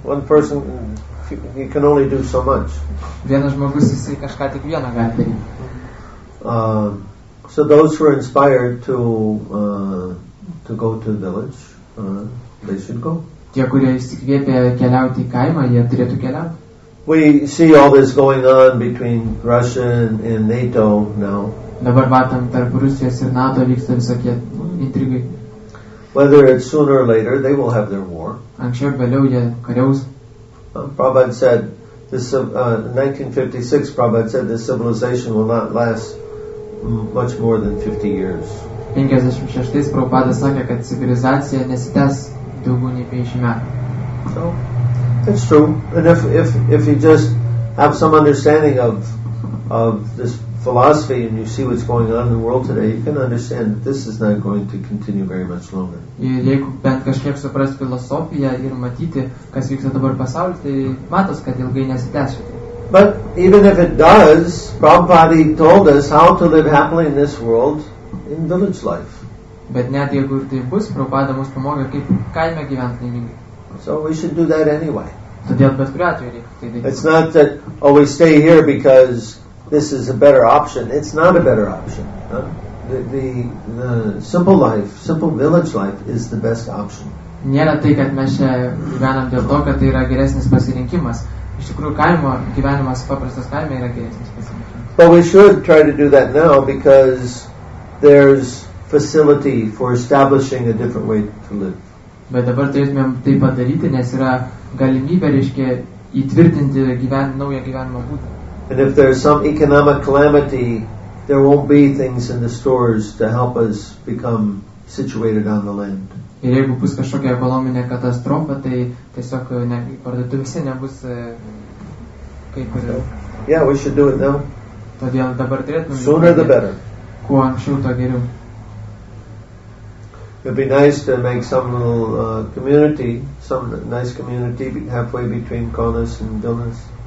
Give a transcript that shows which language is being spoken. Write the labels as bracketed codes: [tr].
[en] One person, you can only do so much. [lt] Vienas žmogus, jis kažką tik vieną gali daryti. [en] So those who are inspired to go to the village, they should go. [lt] Tie, kurie įsikvėpė keliauti į kaimą, jie turėtų keliauti. [en] We see all this going on between Russia and NATO now. [lt] Dabar matom, tarp Rusijos ir NATO vyksta visokie intrigai. [en] Whether it's sooner or later, they will have their war. [lt] Anksčiau vėliau jie kariaus. [en] Prabhupada said, this 1956, Prabhupada said, this civilization will not last much more than 50 years. [lt] 56 Prabhupada sakė, kad civilizacija nesitęs daugiau nei 50 metų. [en] So, it's true. And if you just have some understanding of this philosophy and you see what's going on in the world today, you can understand that this is not going to continue very much longer. [lt] Ir jeigu bent kažkiek supras filosofiją ir matyti, kas vyksta dabar pasaulyje, tai matos, kad ilgai nesitęs. [en] But even if it does, Prabhupada told us how to live happily in this world in village life. [lt] Bet net jeigu ir tai bus, Prabhupada mus pamokė, kaip kaime gyventi laimingai. [en] So we should do that anyway. [lt] Todėl bet kuriuo atveju reikia tai daryti. [en] It's not that we stay here because this is a better option. It's not a better option. The simple life, simple village life is the best option. [lt] Nėra tai, kad mes čia gyvenam dėl to, kad tai yra geresnis pasirinkimas. Iš tikrųjų, kaimo gyvenimas, paprastas kaime yra geresnis pasirinkimas. [en] But we should try to do that now because there's facility for establishing a different way to live. [lt] Bet dabar turėtumėm tai padaryti, nes yra galimybė, reiškia, įtvirtinti naują gyvenimo būdą. [en] And if there's some economic calamity, there won't be things in the stores to help us become situated on the land. [lt] Ir jeigu bus kažkokia ekonominė katastrofa, tai tiesiog parduotuvėse nebus kaip ir... [en] Yeah, we should do it now. [lt] Todėl dabar turėtume... [en] Sooner the better. [lt] Kuo anksčiau, to geriau. [en] It'd be nice to make some little community, some nice community halfway between Kaunas and Vilnius.